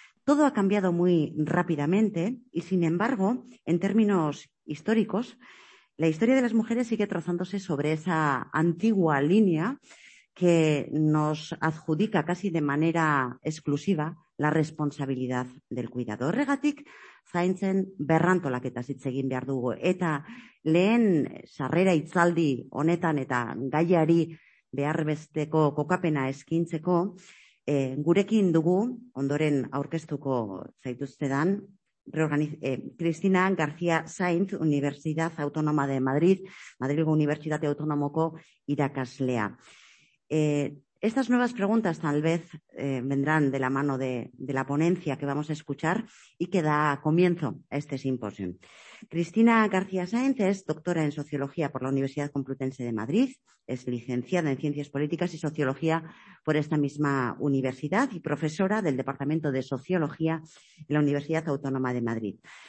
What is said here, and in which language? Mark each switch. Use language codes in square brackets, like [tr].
[es] Todo ha cambiado muy rápidamente y, sin embargo, en términos históricos, la historia de las mujeres sigue trazándose sobre esa antigua línea que nos adjudica casi de manera exclusiva la responsabilidad del cuidado. [eu] Horregatik, zaintzen berrantolaketaz hitz egin behar dugu. Eta lehen sarrera itzaldi honetan eta gaiari behar besteko kokapena eskintzeko, gurekin dugu, ondoren aurkeztuko zaituztedan, Cristina García Sainz, Universidad Autónoma de Madrid, Madrilgo Unibertsitate Autonomoko irakaslea. [es] Estas nuevas preguntas tal vez vendrán de la mano de la ponencia que vamos a escuchar y que da comienzo a este simposio. Cristina García Sáenz es doctora en Sociología por la Universidad Complutense de Madrid, es licenciada en Ciencias Políticas y Sociología por esta misma universidad y profesora del Departamento de Sociología en la Universidad Autónoma de Madrid.